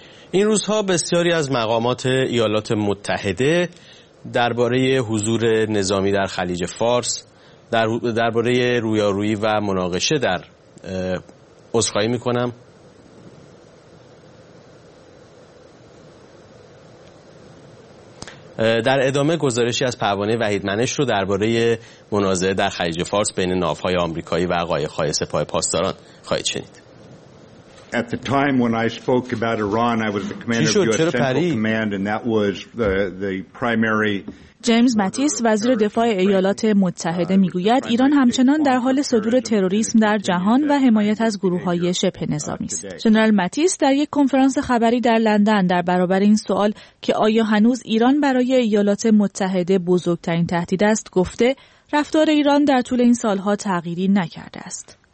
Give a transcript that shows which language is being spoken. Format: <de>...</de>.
<fa>این روزها بسیاری از مقامات ایالات متحده درباره حضور نظامی در خلیج فارس، درباره رویارویی و مناقشه در عذرخواهی میکنم، در ادامه گزارشی از پروانه وحید منش رو درباره مناظره در خلیج فارس بین ناوهای آمریکایی و قایق‌های سپاه پاسداران خواهید شنید.</fa> <en>At the time when I spoke about Iran, I was the commander of U.S. Central Command, and that was the primary.</en> <fa>جیمز ماتیس وزیر دفاع ایالات متحده میگوید ایران همچنان در حال صدور تروریسم در جهان و حمایت از گروه‌های شبه نظامی است. جنرال ماتیس در یک کنفرانس خبری در لندن در برابر این سوال که آیا هنوز ایران برای ایالات متحده بزرگترین تهدید است، گفته رفتار ایران در طول این سال‌ها تغییری نکرده است.</fa>